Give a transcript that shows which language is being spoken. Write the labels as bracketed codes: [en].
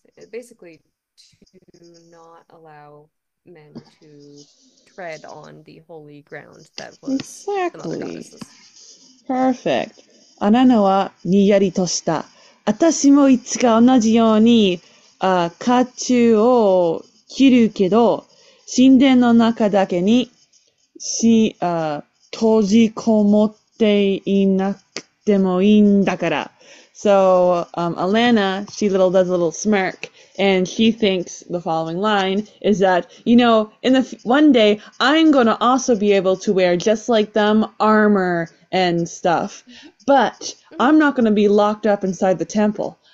[en] Basically, to not allow men to tread on the holy ground that was the mother Exactly. goddesses. Perfect. [ja] アラナはにやりとした。私もいつか同じように、甲冑を切るけど、神殿の中だけに、閉じこもっていなくてもいいんだから。 [en] So, Alanna, she little does a little smirk, and she thinks the following line is that, in the one day, I'm going to also be able to wear just like them armor and stuff, but I'm not going to be locked up inside the temple.